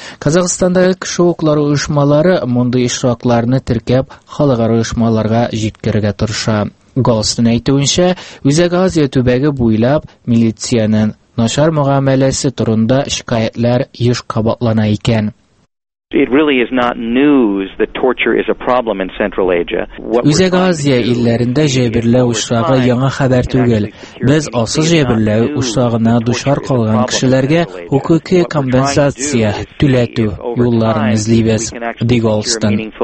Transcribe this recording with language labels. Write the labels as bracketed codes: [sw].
[tt] Казахстандагы кеше хокуклары оешмалары мондый очракларны теркәп, халыкара оешмаларга җиткерергә тырыша. Голстон әйтүенчә, Үзәк Азия төбәге буйлап милициянең начар мөгамәләсе турында шикаятьләр еш кабатлана икән. [en] It really is not news that torture is a problem in Central Asia. [tt] Үзәк Азия илләрендә җәберләү очрагы яңа хәбәр түгел. Без асыл җәберләү очрагына дучар калган кешеләргә хукуки компенсация түләтү юлларын эзлибез. Ди Голстон.